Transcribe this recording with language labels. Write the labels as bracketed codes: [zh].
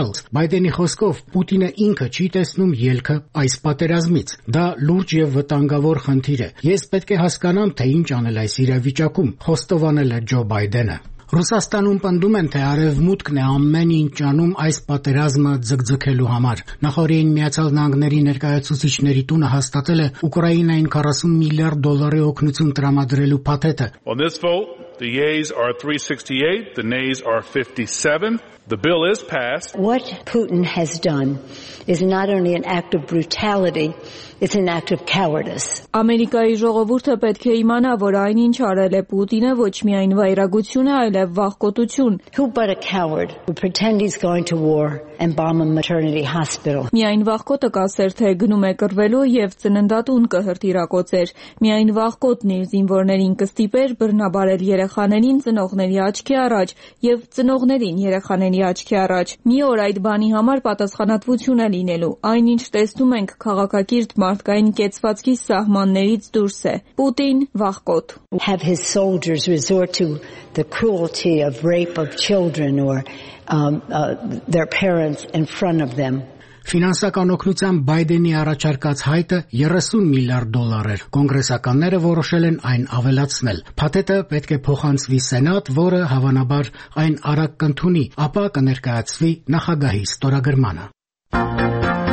[hy] Wells, Biden-ի խոսքով Պուտինը ինքը չի տեսնում ելքը այս պատերազմից։ Դա լուրջ եւ վտանգավոր խնդիր է։ Ես պետք է հասկանամ, թե ինչ անել այս իրավիճակում, խոստովանել է Ջո Բայդենը։ Ռուսաստանում պնդում են, թե արևմուտքն է ամեն ինչ անում այս պատերազմը ձգձգելու համար։ Նախորդին Միացյալ Նահանգների ներկայացուցիչների տունը հաստատել է Ուկրաինային 40 միլիարդ դոլարի օգնություն տրամադրելու փաթեթը։ [en] On this vote, the yeas are 368, the nays are 57. The bill is passed. What Putin has done is not only an act of brutality, it's an act of cowardice. [hy] Ամերիկայի ժողովուրդը պետք է իմանա, որ այնինչ արել է Պուտինը ոչ միայն վայրագություն է, այլև վախկոտություն. [en] Who but a coward would pretend he's going to war and bomb a maternity hospital? [hy] Միայն վախկոտը կասեր, թե գնում է կռվելու եւ ծննդատուն կհրտիրակոծեր։ Միայն վախկոտն իր զինվորներին կստիպեր բռնաբարել երեխաներին ծնողների աչքի առաջ եւ ծնողներին երեխաների աչքի առաջ։ Մի օր այդ բանի համար պատասխանատվություն է լինելու։ Այնինչ տեսնում ենք քաղաքակիր մարդկային կեցվածքի սահմաններից դուրս է Պուտին վախկոտ [en] Have his soldiers resort to the cruelty of rape of children or their parents in front of them [hy] Ֆինանսական օկնության Բայդենի առաջարկած հայտը 30 միլիարդ դոլար էր։ Կոնգրեսականները որոշել են այն ավելացնել։ Փաթեթը պետք է փոխանցվի Սենատ, որը հավանաբար այն արագ կընդունի, ապա կներկայացվի նախագահի ստորագրմանը։